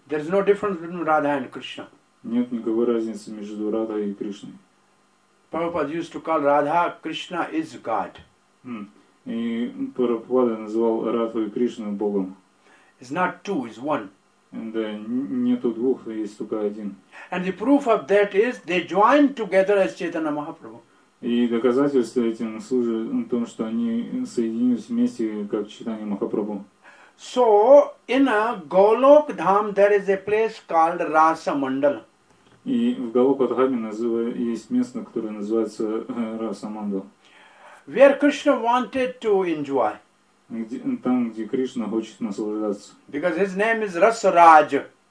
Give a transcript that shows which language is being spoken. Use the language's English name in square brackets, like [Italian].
[English] There is no difference between Radha and Krishna. [Russian] Нет никакой разницы между Радхой и Кришной. [English] Prabhupada used to call Radha, Krishna is god. [Russian] И Прабхупада называл Радху и Кришну богом. [English] It's not two, it's one. [Russian] And нету двух, есть только один. [English] And the proof of that is they joined together as Chaitanya Mahaprabhu. [Russian] И доказательство этим служит в том, что они соединились вместе как Чайтанья Махапрабху. [English] So in a Golok Dham there is a place called Rasa Mandal. [Russian] И в Голокадхаме есть место, которое называется Rasa Mandal. [English] Where Krishna wanted to enjoy. [Russian] там, где Кришна хочет наслаждаться. [English] Because his name is Rasaraj.